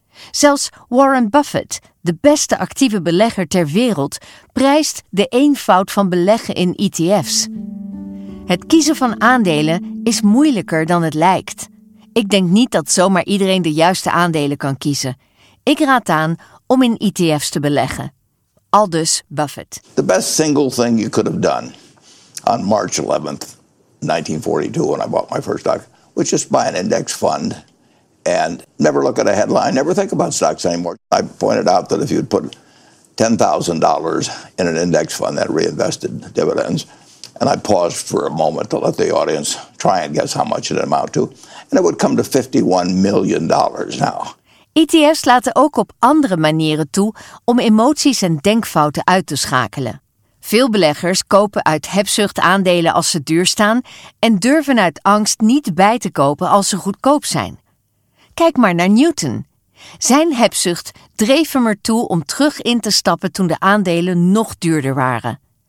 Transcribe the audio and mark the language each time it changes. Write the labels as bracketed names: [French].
[Dutch] Zelfs Warren Buffett, de beste actieve belegger ter wereld, prijst de eenvoud van beleggen in ETF's. Het kiezen van aandelen is moeilijker dan het lijkt. Ik denk niet dat zomaar iedereen de juiste aandelen kan kiezen. Ik raad aan om in ETF's te beleggen. Aldus Buffett. [English] The best single thing you could have done on March 11th, 1942, when I bought my first stock, was just buy an index fund and never look at a headline, never think about stocks anymore. I pointed out that if you'd put $10,000 in an index fund that reinvested dividends, and I paused for a moment to let the audience try and guess how much it amounted to, and it would come to $51 million now. [Dutch] ETF's laten ook op andere manieren toe om emoties en denkfouten uit te schakelen. Veel beleggers kopen uit hebzucht aandelen als ze duur staan en durven uit angst niet bij te kopen als ze goedkoop zijn. Kijk maar naar Newton. Zijn hebzucht dreef hem ertoe om terug in te stappen toen de aandelen nog duurder waren.